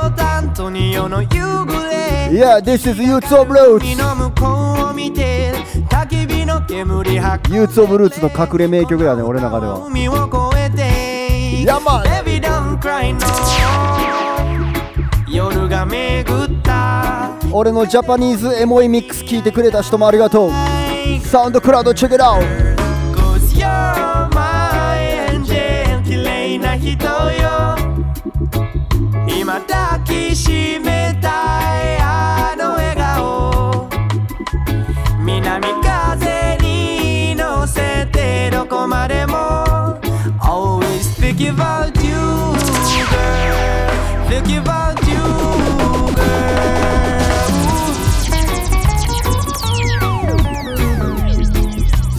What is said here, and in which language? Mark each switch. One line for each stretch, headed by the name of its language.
English: Yeah, this is YouTube Roots.
Japanese: 海の向こうを見て、焚き火の煙吐く。 YouTube Roots の隠れ名曲やね、俺の中では。海を越えて、山。
English: Baby, don't cry no.
Japanese: 夜が巡った。俺のジャパニーズエモいミックス聞いてくれた人もありがとう。サウンドクラウドチェックアウト。
English: Cause you're my angel,
Japanese: 綺麗な人よ。今抱きしめたいあの笑顔南風に乗せてどこまでも
English: Always think about you girl Think about you girl